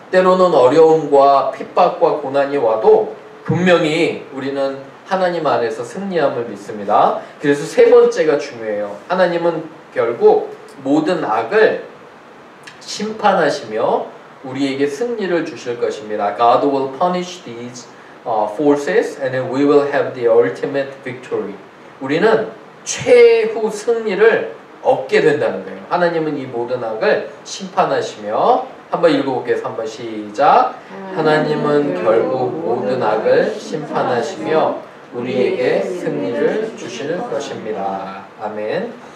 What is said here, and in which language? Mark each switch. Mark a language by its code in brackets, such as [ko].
[ko] 때로는 어려움과 핍박과 고난이 와도 분명히 우리는 하나님 안에서 승리함을 믿습니다. 그래서 세 번째가 중요해요. 하나님은 결국 모든 악을 심판하시며 우리에게 승리를 주실 것입니다. [en] God will punish these forces and then we will have the ultimate victory. [ko] 우리는 최후 승리를 얻게 된다는 거예요. 하나님은 이 모든 악을 심판하시며 한번 읽어볼게요. 한번 시작. 하나님은 결국 모든 악을 심판하시며 우리에게 승리를 주시는 것입니다. 아멘.